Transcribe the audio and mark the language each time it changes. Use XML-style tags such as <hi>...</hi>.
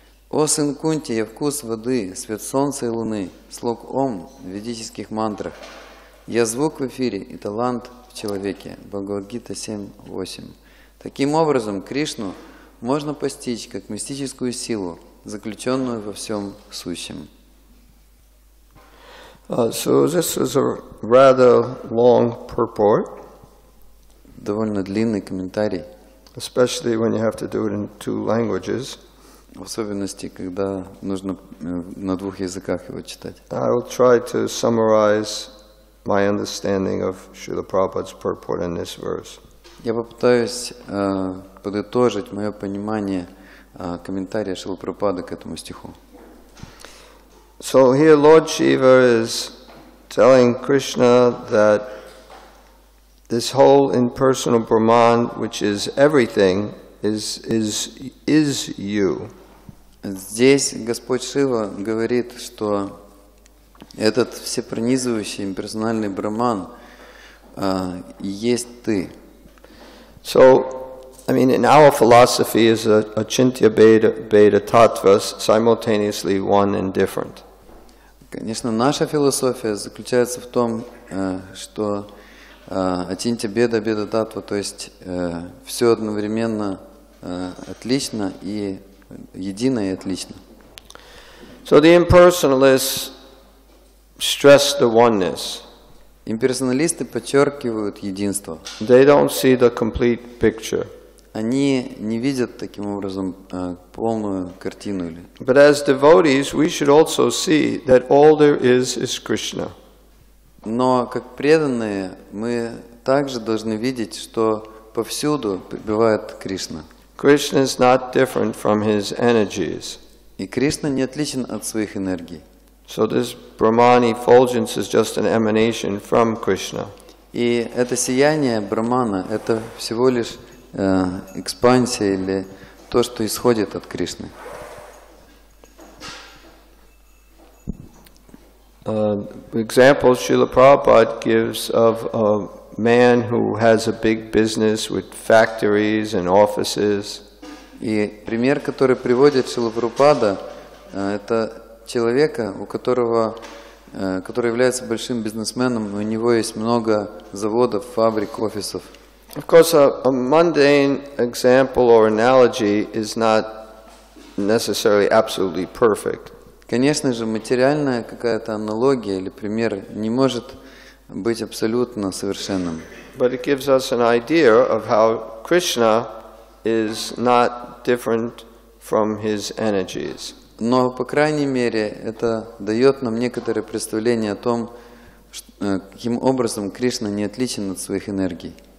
<ru>О сын Кунти, я вкус воды, свет солнца и луны, слог ом в ведических мантрах. Я звук в эфире и талант в человеке. Бхагавад-гита 7.8. Таким образом, Кришну можно постичь как мистическую силу, заключенную во всем сущем.</ru> <en>So this is a rather long purport.</en> <ru>Довольно длинный комментарий.</ru> <en>Especially when you have to do it in two languages.</en> <ru>В особенности, когда нужно на двух языках его читать.</ru> <en>I will try to summarize my understanding of Srila Prabhupada's purport in this verse.</en> <ru>Я попытаюсь подытожить мое понимание комментария Шрилы Прабхупады к этому стиху.</ru> <en>So here Lord Shiva is telling Krishna that this whole impersonal Brahman, which is everything, is you.</en> <ru>Здесь Господь Шива говорит, что этот всепронизывающий имперсональный Брахман есть ты.</ru> <en>So, I mean, in our philosophy is a chintya beta tattva simultaneously one and different.</en> <ru>Конечно, наша философия заключается в том, что ачинтья беда, беда таттва, то есть все одновременно отлично и едино и отлично.</ru> <en>So the impersonalists stress the oneness.</en> <ru>Имперсоналисты подчеркивают единство.</ru> <en>They don't see the complete picture.</en> <ru>Они не видят таким образом полную картину или.</ru> <en>But as devotees, we should also see that all there is Krishna.</en> <ru>Но как преданные, мы также должны видеть, что повсюду пребывает Кришна.</ru> <en>Krishna is not different from his energies.</en> <ru>И Кришна не отличен от своих энергий.</ru> <en>So this Brahman effulgence is just an emanation from Krishna.</en> <ru>И это сияние Брахмана это всего лишь экспансия или то, что исходит от Кришны.</ru> <en>Example Srila Prabhupada gives of a man who has a big business with factories and offices.</en> <ru>И пример, который приводит Шрила Прабхупада, это человека, у которого, который является большим бизнесменом, у него есть много заводов, фабрик, офисов.</ru> <en>Of course, a mundane example or analogy is not necessarily absolutely perfect.</en> <ru>Конечно же, материальная какая-то аналогия или пример не может быть абсолютно совершенным.</ru> <en>But it gives us an idea of how Krishna is not different from his energies.</en> <ru>Но, по крайней мере, это дает нам некоторое представление о том, каким образом Кришна не отличен от своих энергий.</ru>